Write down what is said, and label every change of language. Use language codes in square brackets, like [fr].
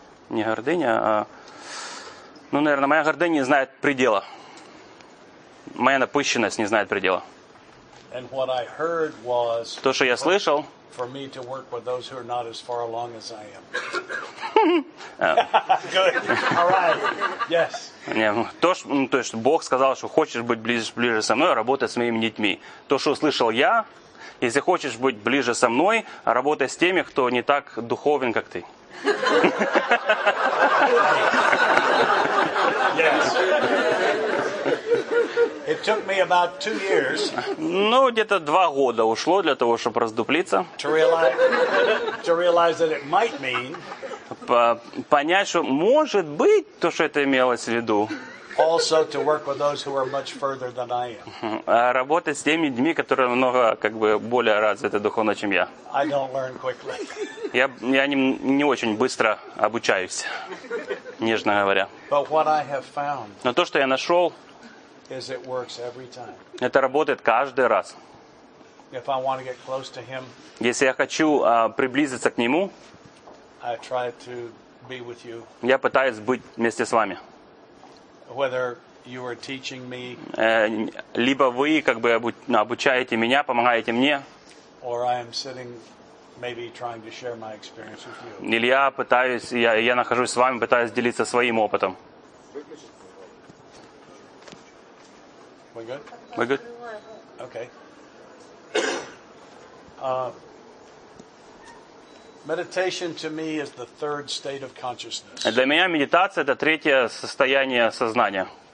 [ru] Не гордыня, а наверное, моя гордыня не знает предела. Моя напыщенность не знает предела. [en] And what I heard was, [ru] то, что я слышал, [en] for me to work with those who are not as far along as I am. Good. All right. Yes. [ru] То есть Бог сказал, что хочешь быть ближе со мной, работай с моими детьми. То, что услышал я, если хочешь быть ближе со мной, работай с теми, кто не так духовен, как ты. [en] Yes. It took me about 2 years. [ru] Где-то 2 года ушло для того, чтобы раздуплиться. [en] To realize that it might mean. [ru] Понять, что может быть то, что это имелось в виду. [en] also to work with those who are much further than I am. [ru] Работать с теми людьми, которые намного как бы более развиты духовно, чем я. [en] I don't learn quickly. [ru] Я не очень быстро обучаюсь, нежно говоря. [en] But what I have found. [ru] Но то, что я нашёл, [en] is it works every time. [ru] Это работает каждый раз. [en] If I want to get close to him. [ru] Если я хочу приблизиться к нему, [en] I try to be with you. [ru] Я пытаюсь быть вместе с вами. [en] Whether you are teaching me. [ru] Либо вы как бы обучаете меня, помогаете мне. [en] Or I am sitting maybe trying to share my experience with you. [ru] Или я пытаюсь, я нахожусь с вами, пытаюсь делиться своим опытом. [en] We good? We good? Okay. Meditation to me is the third state of consciousness. [ru] Для меня медитация это третье состояние сознания.